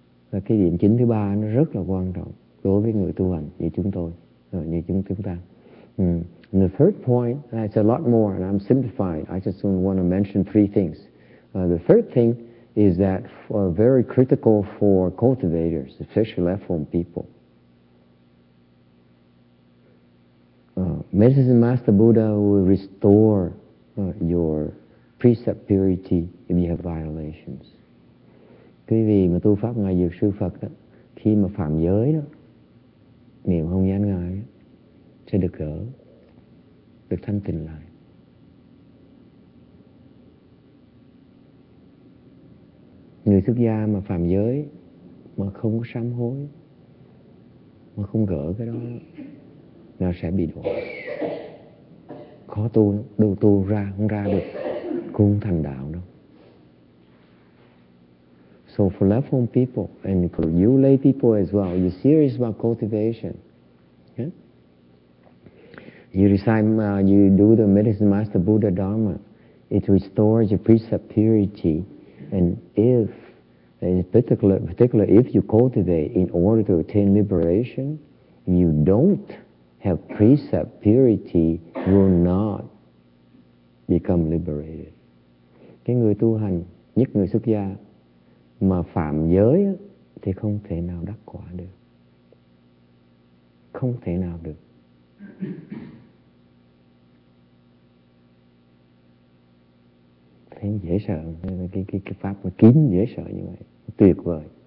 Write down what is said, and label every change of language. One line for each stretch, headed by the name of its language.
Vietnamese: Và cái điểm chính thứ ba nó rất là quan trọng đối với người tu hành như chúng tôi, như chúng ta.
English: And the third point, it's a lot more, and I'm simplified. I just want to mention three things. The third thing is that very critical for cultivators, especially left-home people. Medicine Master Buddha will restore your precept purity if you have violations.
Vietnamese: Quý vị mà tu pháp ngài dược sư Phật đó, khi mà phạm giới đó, niệm không gian ngài đó, sẽ được gỡ, được thanh tịnh lại. Người xuất gia mà phạm giới mà không có sám hối, mà không gỡ cái đó, nó sẽ bị đọa, khó tu lắm, đâu tu ra không ra được, cũng thành đạo đâu.
English: So for left-home people, and for you lay people as well, you're serious about cultivation. Yeah? You recite, you do the Medicine Master Buddha Dharma, it restores your precept purity. And if, in particular, if you cultivate in order to attain liberation, you don't have precept purity, you will not become liberated.
Vietnamese: Cái người tu hành, nhất người xuất gia, mà phạm giới thì không thể nào đắc quả được. Không thể nào được. Thấy dễ sợ, cái pháp mà kín dễ sợ như vậy. Tuyệt vời.